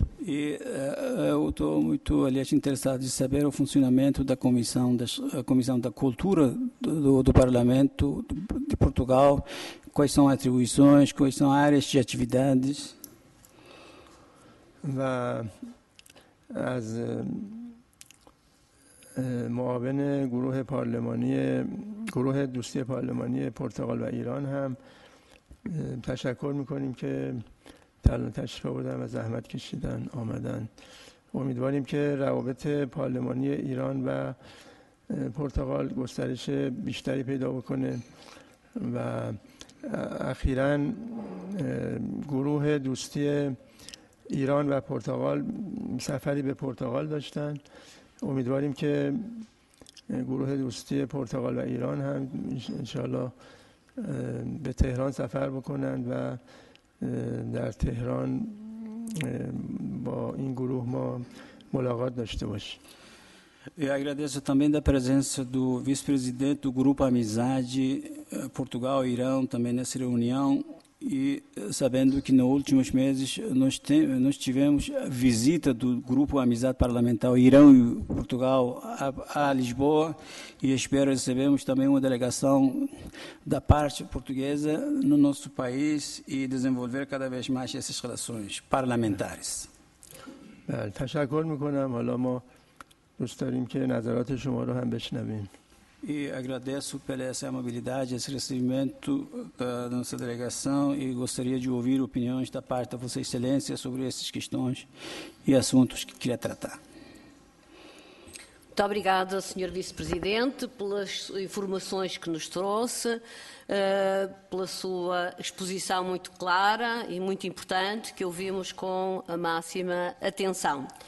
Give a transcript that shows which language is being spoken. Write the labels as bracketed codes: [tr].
[pt] Eu estou muito, aliás, interessado em saber o funcionamento da Comissão da Cultura do Parlamento de Portugal, quais são as atribuições, quais são as áreas de atividades. [fa] و از معاون گروه پارلمانی، گروه دوستی پارلمانی پرتغال و ایران هم تشکر می‌کنیم که تشریف آوردن و زحمت کشیدن آمدن. امیدواریم که روابط پارلمانی ایران و پرتغال گسترش بیشتری پیدا بکنه و اخیراً گروه دوستی ایران و پرتغال سفری به پرتغال داشتن. امیدواریم که گروه دوستی پرتغال و ایران هم انشاءالله به تهران سفر بکنند و در تهران با این گروه ما ملاقات داشته باشیم. [pt] E agradeço também da presença do vice-presidente do grupo Amizade Portugal e Irã também nessa reunião e sabendo que nos últimos meses nós tivemos a visita do grupo Amizade Parlamentar Irã e Portugal a Lisboa e espero recebermos também uma delegação da parte portuguesa no nosso país e desenvolver cada vez mais essas relações parlamentares. [fa] بله تشکر میکنم. حالا ما دوست داریم که نظرات شما رو هم بشنویم. [pt] E agradeço pela essa amabilidade, esse recebimento da nossa delegação e gostaria de ouvir opiniões da parte da Vossa Excelência sobre essas questões e assuntos que queria tratar. Muito obrigada, Sr. Vice-Presidente, pelas informações que nos trouxe, pela sua exposição muito clara e muito importante, que ouvimos com a máxima atenção.